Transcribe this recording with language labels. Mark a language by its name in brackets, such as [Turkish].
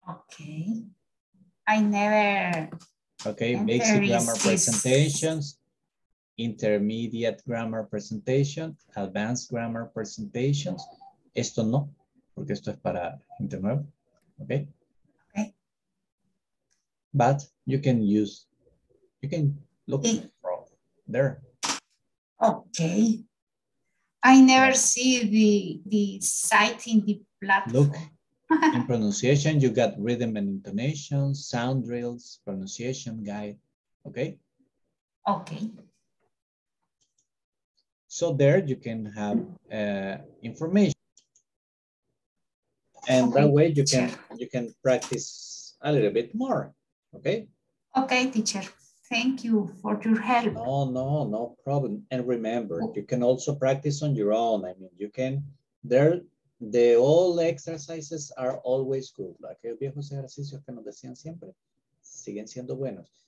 [English] Okay. I never. Okay, basic grammar presentations, intermediate grammar presentation, advanced grammar presentations. [Spanish] Esto no, porque esto es para gente nueva. [English] Okay. Okay. But you can use, you can look from there. Okay. I never see the site in the platform. Look, in pronunciation, you got rhythm and intonation, sound drills, pronunciation guide. Okay. Okay. So there you can have information. And okay, that way you teacher. can practice a little bit more, okay? Okay, teacher. Thank you for your help. No problem. And remember, you can also practice on your own. I mean, you can, there, the all exercises are always good. [Spanish] Like los viejos ejercicios que nos decían siempre, siguen siendo buenos.